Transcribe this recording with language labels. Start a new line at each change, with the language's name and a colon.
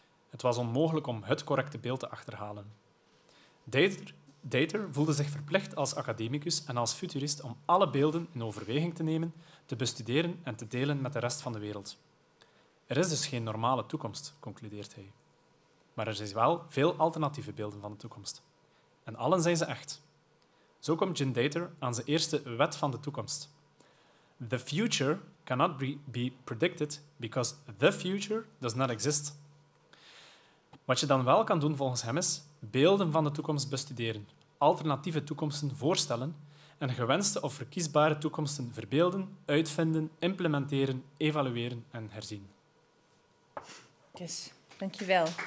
Dutch: Het was onmogelijk om het correcte beeld te achterhalen. Dator voelde zich verplicht als academicus en als futurist om alle beelden in overweging te nemen, te bestuderen en te delen met de rest van de wereld. Er is dus geen normale toekomst, concludeert hij. Maar er zijn wel veel alternatieve beelden van de toekomst. En allen zijn ze echt. Zo komt Jim Dator aan zijn eerste wet van de toekomst.
English: The future cannot be predicted because the future does not exist.
Dutch: Wat je dan wel kan doen volgens hem is beelden van de toekomst bestuderen, alternatieve toekomsten voorstellen en gewenste of verkiesbare toekomsten verbeelden, uitvinden, implementeren, evalueren en herzien. Yes, dankjewel.